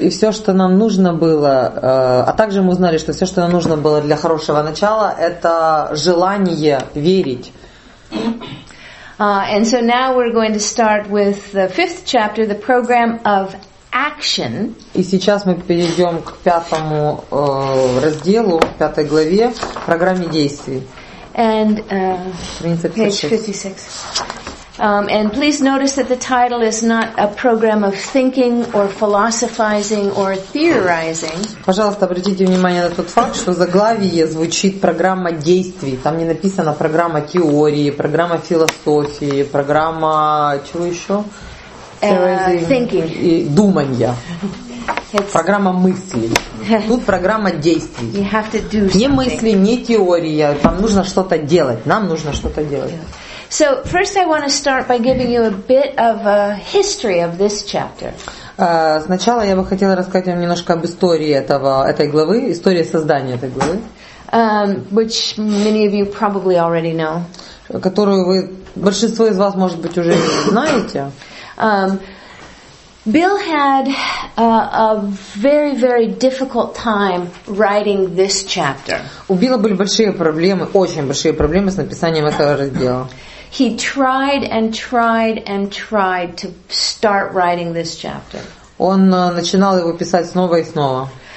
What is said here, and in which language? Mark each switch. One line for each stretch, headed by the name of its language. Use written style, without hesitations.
Russian: И все, что нам нужно было, а также мы узнали, что все, что нам нужно было для хорошего начала, это желание верить.
English: And so now we're going to start with the fifth chapter, the program of action.
Russian: И сейчас мы перейдем к пятому разделу, пятой главе, программе действий.
English: And page 56. And please notice that the title is not a program of thinking or philosophizing or theorizing.
Russian: Пожалуйста, обратите внимание на тот факт, что в заглавии звучит программа действий. Там не написано программа теории, программа философии, программа чего еще?
English: Thinking.
Russian: И думания. Программа мыслей. Тут программа действий.
English: You have to do something.
Russian: Не мысли, не теория. Там нужно что-то делать. Нам нужно что-то делать.
English: So first I want to start by giving you a bit of a history of this chapter.
Russian: Сначала я бы хотела рассказать вам немножко об истории этой главы, истории создания этой главы.
English: Which many of you probably already know.
Russian: Которую вы большинство из вас, может быть, уже знаете.
English: Bill had a very, very difficult time writing this chapter.
Russian: У Билла были большие проблемы, очень большие проблемы с написанием этого раздела.
English: He tried and tried and tried to start writing this chapter.
Russian: Он начинал его писать снова и снова.